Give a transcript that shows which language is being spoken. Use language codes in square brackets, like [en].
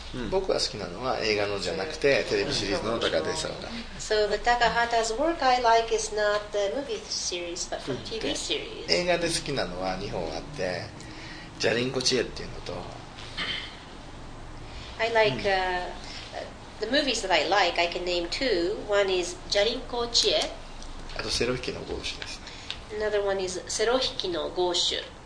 [ja] 僕が好きなのは映画のじゃなくてテレビシリーズの高畑さんが。 [en] So the Takahata's work I like is not the movie series, but from TV series. [ja] 映画で好きなのは2本あって、ジャリンコチエっていうのと。 [en] I like the movies that I like. I can name two. One is Jarinko Chie. [ja] あとセロヒキの豪州ですね。 [en] Another one is セロヒキの豪州。